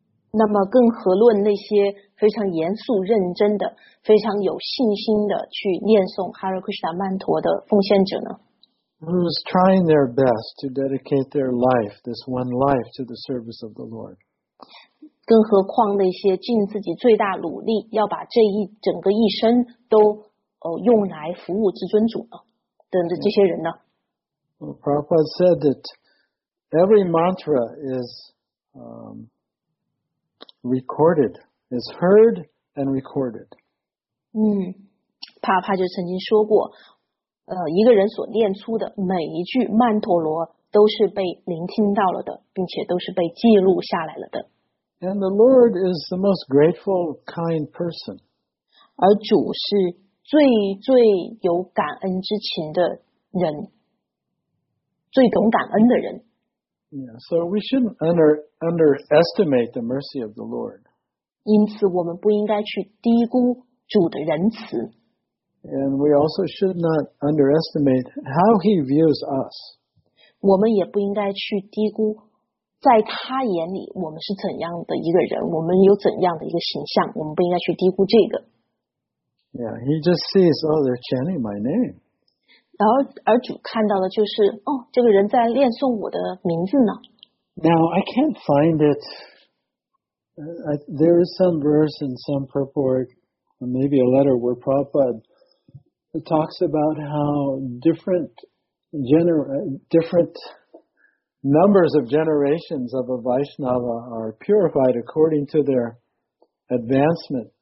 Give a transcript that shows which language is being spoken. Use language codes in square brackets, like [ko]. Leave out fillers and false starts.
[zh] 那么更何论那些非常严肃认真的非常有信心的去念诵 Hare Krishna 曼陀的奉献者呢？ [en] Who's trying their best to dedicate their life, this one life, to the service of the Lord. [zh] 更何况那些尽自己最大努力要把这一整个一生都用来服务至尊主的这些人呢？ [en] Well, Prabhupada said that every mantra is recorded, is heard and recorded. [zh] 帕帕就曾经说过，一个人所念出的每一句曼陀罗都是被聆听到了的，并且都是被记录下来了的。 [en] And the Lord is the most grateful, kind person. [zh] 而主是最最有感恩之情的人。最懂感恩的人。 [en] Yeah, so we shouldn't underestimate the mercy of the Lord. [zh] 因此我们不应该去低估主的仁慈。 [en] And we also should not underestimate how he views us. [zh] 我们也不应该去低估在他眼里我们是怎样的一个人，我们有怎样的一个形象，我们不应该去低估这个。 [en] Yeah, he just sees, oh, they're chanting my name. [zh] 而主看到的就是，哦，这个人在念诵我的名字呢。 [en] Now, I can't find it. There is some verse in some purport, maybe a letter where Prabhupada talks about how different numbers of generations of a Vaishnava are purified according to their advancement